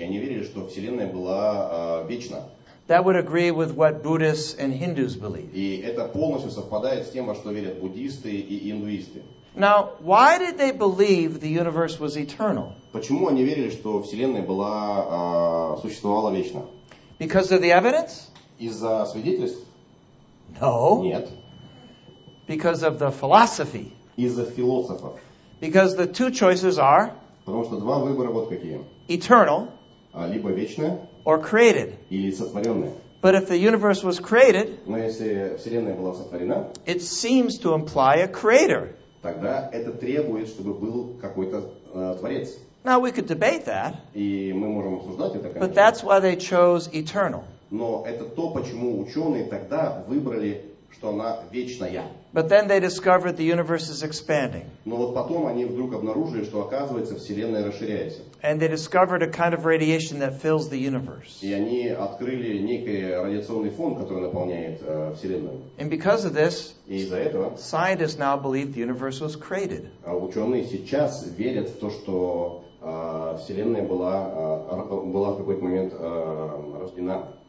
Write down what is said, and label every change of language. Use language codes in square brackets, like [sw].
[ru] Они верили, что Вселенная была вечна. [en] That would agree with what Buddhists and Hindus believe. [ru] И это полностью совпадает с тем, во что верят буддисты и индуисты. [en] Now, why did they believe the universe was eternal? [ru] Почему они верили, что Вселенная была существовала вечно? [en] Because of the evidence? [ru] Из-за свидетельств? [en] No. [ru] Нет. [en] Because of the philosophy. [ru] Из-за философа. [en] Because the two choices are. [ru] Потому что два выбора вот какие. [en] Eternal. [ru] Либо вечное. [en] Or created. [ru] Или сотворенное. [en] But if the universe was created, [ru] но если вселенная была сотворена, [en] it seems to imply a creator. [ru] Тогда это требует, чтобы был какой-то творец. [en] Now we could debate that. [ru] И мы можем обсуждать это, конечно. [en] But that's why they chose eternal. [ru] Но это то, почему ученые тогда выбрали, что она вечная. [en] But then they discovered the universe is expanding. [ru] Но вот потом они вдруг обнаружили, что оказывается вселенная расширяется. [en] And they discovered a kind of radiation that fills the universe. [ru] И они открыли некий радиационный фон, который наполняет вселенную. [en] And because of this, [ru] и из-за этого, [en] scientists now believe the universe was created. [ru] Ученые сейчас верят в то, что вселенная была была в какой-то момент рождена.